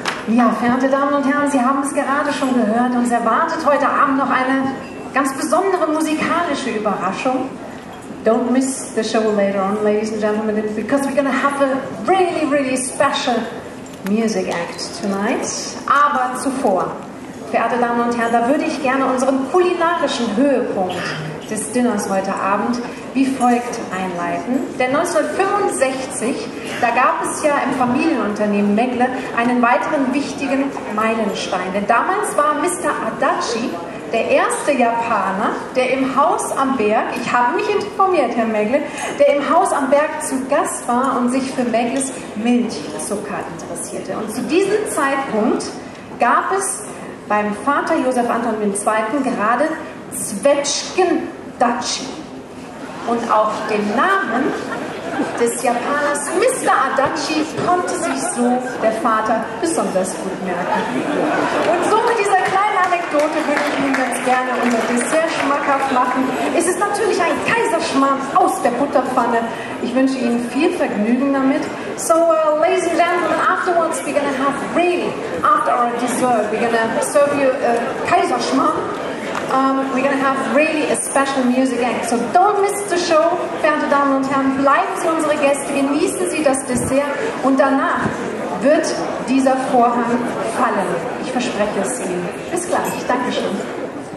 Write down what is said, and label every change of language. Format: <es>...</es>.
<de>Ja, verehrte Damen und Herren, Sie haben es gerade schon gehört, uns erwartet heute Abend noch eine ganz besondere musikalische Überraschung.</de> <en>Don't miss the show later on, ladies and gentlemen, because we're going to have a really, really special Music Act tonight.</en> <de>Aber zuvor, verehrte Damen und Herren, da würde ich gerne unseren kulinarischen Höhepunkt des Dinners heute Abend wie folgt einleiten. Denn 1965, da gab es ja im Familienunternehmen Megle einen weiteren wichtigen Meilenstein. Denn damals war Mr. Adachi der erste Japaner, der im Haus am Berg, ich habe mich informiert, Herr Megle, der im Haus am Berg zu Gast war und sich für Megles Milchzucker interessierte. Und zu diesem Zeitpunkt gab es beim Vater Josef Anton II. Gerade Zwetschgen-Dachi. Und auf den Namen des Japaners Mr. Adachi konnte sich so der Vater besonders gut merken. Und so mit dieser kleinen Anekdote würde ich Ihnen ganz gerne unser Dessert schmackhaft machen. Es ist natürlich ein Kaiserschmarrn aus der Butterpfanne. Ich wünsche Ihnen viel Vergnügen damit.</de> <en>So, ladies and gentlemen, afterwards we're gonna have really, after our dessert, we're gonna serve you a Kaiserschmarrn. We're gonna have really a special music act. So don't miss the show,</en> <de>verehrte Damen und Herren. Bleiben Sie unsere Gäste, genießen Sie das Dessert und danach wird dieser Vorhang fallen. Ich verspreche es Ihnen. Bis gleich. Dankeschön.</de>